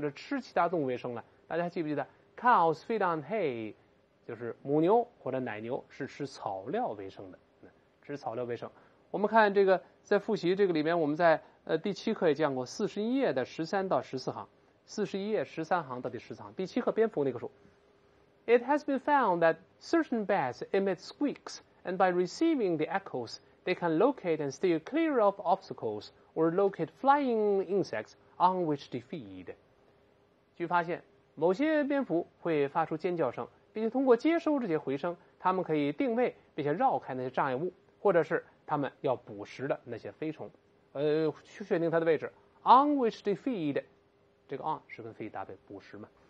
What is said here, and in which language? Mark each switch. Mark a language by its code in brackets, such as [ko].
[zh] 这吃其他动物为生了。大家记不记得 [en] cows feed on hay， [zh] 就是母牛或者奶牛是吃草料为生的，吃草料为生。我们看这个，在复习这个里面，我们在第七课也讲过，41页的13到14行，41页13行到第14行，第七课蝙蝠那个数。 [en] It has been found that certain bats emit squeaks, and by receiving the echoes, they can locate and steer clear of obstacles or locate flying insects on which they feed. [zh] 据发现，某些蝙蝠会发出尖叫声，并且通过接收这些回声，它们可以定位并且绕开那些障碍物，或者是它们要捕食的那些飞虫，去确定它的位置。 [en] On which they feed， [zh] 这个 on 是跟 feed 搭配，捕食嘛。